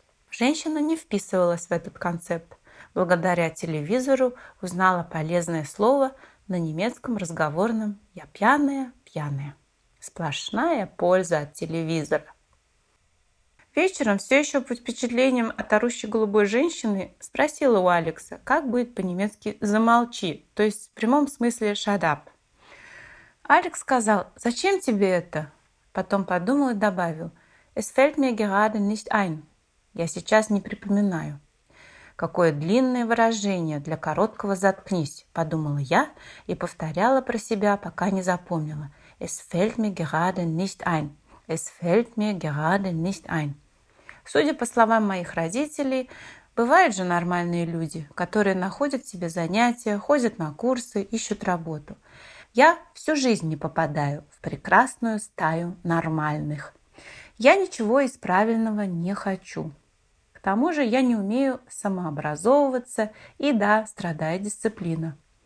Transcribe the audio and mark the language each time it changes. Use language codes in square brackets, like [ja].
[ru] Женщина не вписывалась в этот концепт. Благодаря телевизору узнала полезное слово на немецком разговорном «я пьяная, пьяная». Сплошная польза от телевизора. Вечером, все еще под впечатлением от орущей голубой женщины, спросила у Алекса, как будет по-немецки «замолчи», то есть в прямом смысле [en] «shut up». [ru] Алекс сказал: «Зачем тебе это?» Потом подумал и добавил: [de] «Es fällt mir gerade nicht ein». [ru] «Я сейчас не припоминаю». «Какое длинное выражение для короткого «заткнись», — подумала я и повторяла про себя, пока не запомнила. [de] «Es fällt mir gerade nicht ein». «Es fällt mir gerade nicht ein». [ru] Судя по словам моих родителей, бывают же нормальные люди, которые находят себе занятия, ходят на курсы, ищут работу. Я всю жизнь не попадаю в прекрасную стаю нормальных. Я ничего из правильного не хочу. К тому же я не умею самообразовываться и, да, страдает дисциплина.